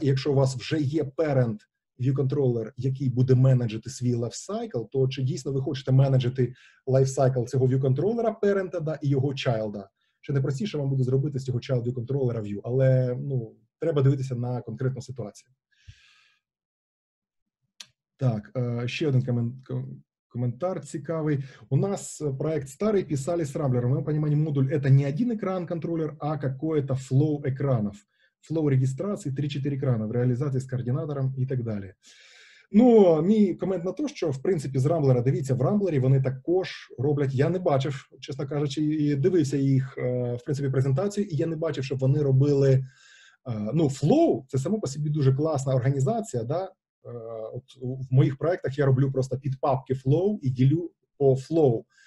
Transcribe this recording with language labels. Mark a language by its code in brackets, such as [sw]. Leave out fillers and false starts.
[uk] І якщо у вас вже є parent view controller, який буде менеджити свій life cycle, то чи дійсно ви хочете менеджити life cycle цього view controller parent, да, і його child? Чи не простіше вам буде зробити з цього child view controller view? Але, ну, треба дивитися на конкретну ситуацію. Так, ще один коментар цікавий. [ru] У нас проект старий, писали с рамблером. В моем понимании модуль это не один экран контроллер, а какой-то флоу экранов. Флоу регистрации 3-4 экрана в реализации с координатором и так далее. [uk] Ну, мій комент на те, що, в принципі, з Рамблера, дивіться, в Рамблері вони також роблять, я не бачив, чесно кажучи, дивився їх, в принципі, презентацію, і я не бачив, щоб вони робили, ну, Flow, це само по собі дуже класна організація, да? От в моїх проєктах я роблю просто підпапки Flow і ділю по Flow.